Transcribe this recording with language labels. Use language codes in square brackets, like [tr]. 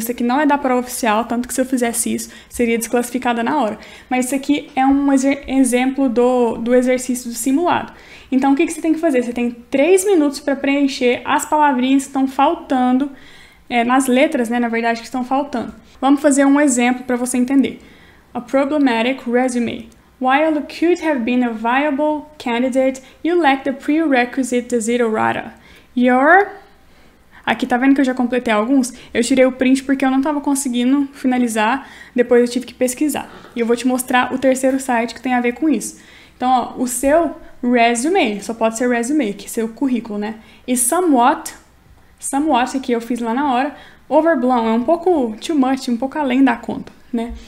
[pt] Isso aqui não é da prova oficial, tanto que se eu fizesse isso, seria desclassificada na hora. Mas isso aqui é um exemplo do exercício do simulado. Então, o que que você tem que fazer? Você tem 3 minutos para preencher as palavrinhas que estão faltando, nas letras, né, na verdade, que estão faltando. Vamos fazer um exemplo para você entender. [en] A problematic resume. While you could have been a viable candidate, you lack the prerequisite desiderata. Your. [pt] Aqui, tá vendo que eu já completei alguns? Eu tirei o print porque eu não estava conseguindo finalizar, depois eu tive que pesquisar. E eu vou te mostrar o terceiro site que tem a ver com isso. Então, ó, o seu resume, só pode ser resume, que é seu currículo, né? E somewhat, aqui eu fiz lá na hora, overblown, é um pouco [en] too much, [pt] um pouco além da conta, né?